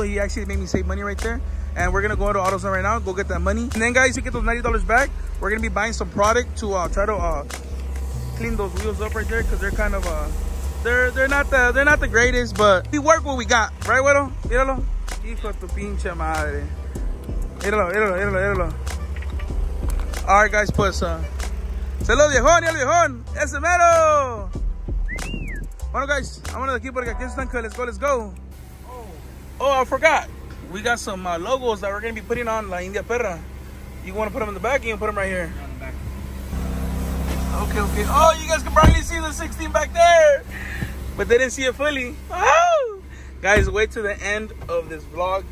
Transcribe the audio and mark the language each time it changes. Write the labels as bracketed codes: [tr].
[en] He actually made me save money right there, and we're gonna go to AutoZone right now, go get that money. And then, guys, you get those $90 back, we're gonna be buying some product to try to clean those wheels up right there, because they're kind of, they're not the greatest, but we work what we got, right, Güero? Míralo. [es] Hijo de tu pinche madre. Míralo. [en] All right, guys, [es] pues, saludos, viejón, y el viejón, ese mero. Bueno, guys, vámonos de aquí porque aquí están, [en] let's go. Oh, I forgot. We got some logos that we're going to be putting on La India Perra. You want to put them in the back? You can put them right here. Okay, okay. Oh, you guys can probably see the 16 back there. But they didn't see it fully. Oh! Guys, wait till the end of this vlog.